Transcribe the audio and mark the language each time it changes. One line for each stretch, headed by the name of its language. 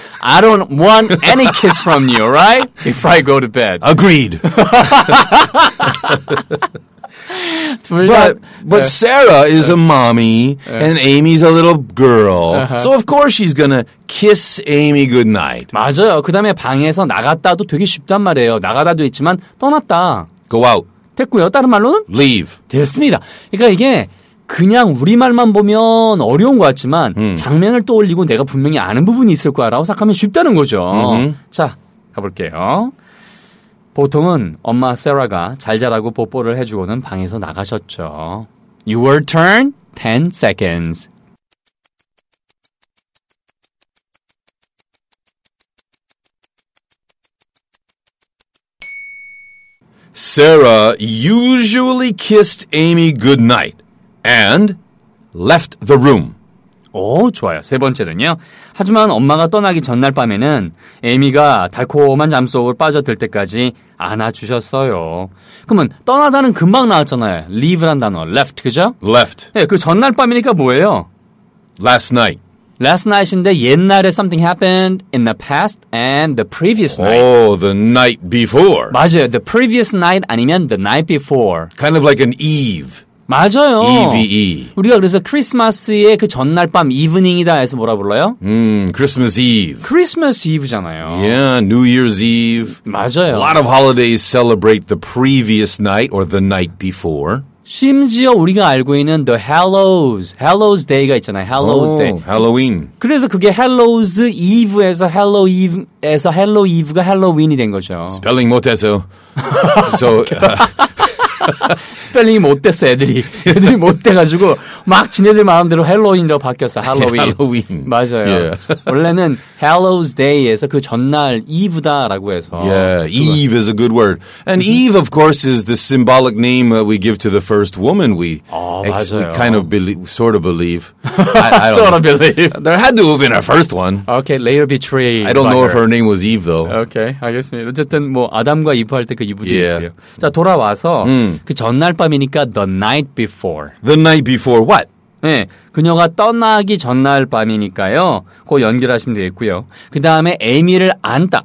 English: I don't want any kiss from you, right? Before I go to bed. Agreed. But Sarah is a mommy, and Amy's a little girl. Uh-huh. So of course she's gonna kiss Amy goodnight.
Korean: 맞아요. 그 다음에 방에서 나갔다도 되게 쉽단 말이에요. 나가다도 있지만 떠났다.
English: Go out.
Korean: 됐고요. 다른 말로는?
English: Leave.
Korean: 됐습니다. 그러니까 이게 그냥 우리말만 보면 어려운 것 같지만 장면을 떠올리고 내가 분명히 아는 부분이 있을 거라고 생각하면 쉽다는 거죠. Mm-hmm. 자, 가볼게요. 보통은 엄마 세라가 잘 자라고 뽀뽀를 해주고는 방에서 나가셨죠.
English: Your turn, 10 seconds. 세라 usually kissed Amy goodnight and left the room.
Korean: 오, 좋아요. 세 번째는요. 하지만 엄마가 떠나기 전날 밤에는 에이미가 달콤한 잠 속으로 빠져들 때까지 안아주셨어요. 그러면 떠나다는 금방 나왔잖아요. leave란 단어. left, 그죠?
English: left.
Korean: 네, 그 전날 밤이니까 뭐예요?
English: last night. last night인데
Korean: 옛날에
English: something happened in the past and the previous night. Oh, the night before.
Korean: 맞아요.
English: the previous night
Korean: 아니면
English: the night before. kind of like an eve.
Korean: 맞아요.
English: EVE.
Korean: 우리가 그래서 크리스마스의 그 전날 밤 이브닝이다 해서 뭐라 불러요? 크리스마스 이브. 크리스마스 이브잖아요.
English: Yeah, New Year's Eve.
Korean: 맞아요.
English: A lot of holidays celebrate the previous night or the night before.
Korean: 심지어 우리가 알고 있는 The Hallows, Hallows Day가 있잖아요. Hallows Day.
English: Halloween.
Korean: 그래서 그게 Hallows Eve에서 Hello Eve가 Halloween이 된 거죠. Spelling 못해서.
English: So...
Korean: Spelling이 못 됐어, 애들이. 애들이 못 돼가지고, 막 지네들 마음대로 Halloween으로 바뀌었어, Halloween.
English: Halloween.
Korean: 맞아요.
English: Yeah.
Korean: 원래는 Hallows Day에서 그 전날 Eve다라고 해서.
English: Yeah, Eve is a good word. And Eve, of course, is the symbolic name that we give to the first woman we kind of believe. I don't sort of believe. There had to have been a first one. Okay, later betrayed. I don't know her. If her name was Eve, though.
Korean: Okay, 알겠습니다. 어쨌든 뭐 아담과 이브 할 때 그 이브도 있고요. 자, 돌아와서 그 전날 밤이니까
English: the night before. The night before what?
Korean: 네, 그녀가 떠나기 전날 밤이니까요. 그거 연결하시면 되겠고요. 그 다음에 에미를 안다.